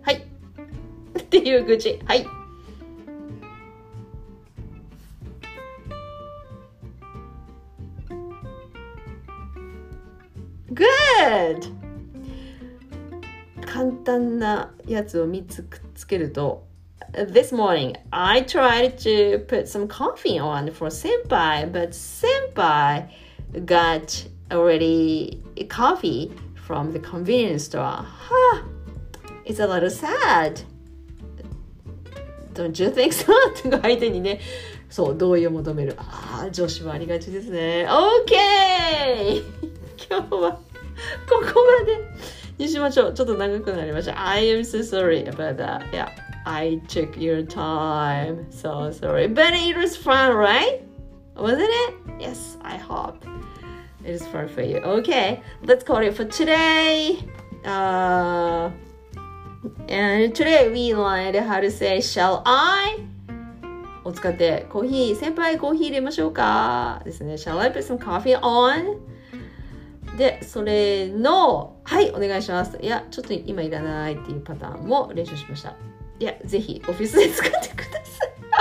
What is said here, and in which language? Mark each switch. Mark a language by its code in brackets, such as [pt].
[ja] はい。っていう愚痴。はい。 [en] Good! [ja] 簡単なやつを3つくっつけると、 [en] This morning, I tried to put some coffee on for senpai, but senpai got already coffee from the convenience store. Huh, it's a little sad. Don't you think so? [ja] と相手にね、そう、同意を求める。ああ、女子もありがちですね。 [en] OK! [ja] 今日はここまでにしましょう。ちょっと長くなりました。 [en] I am so sorry about that. Yeah. I took your time. So sorry. But it was fun, right? Wasn't it? Yes, I hope. It is fun for you. Okay, let's call it for today. And today we learned how to say, shall I? [ja] お使ってコーヒー、先輩コーヒー入れましょうか？ですね。 [en] Shall I put some coffee on? [ja] で、それの、はい、お願いします。いや、ちょっと今いらないっていうパターンも練習しました。いや、ぜひオフィスで使ってください。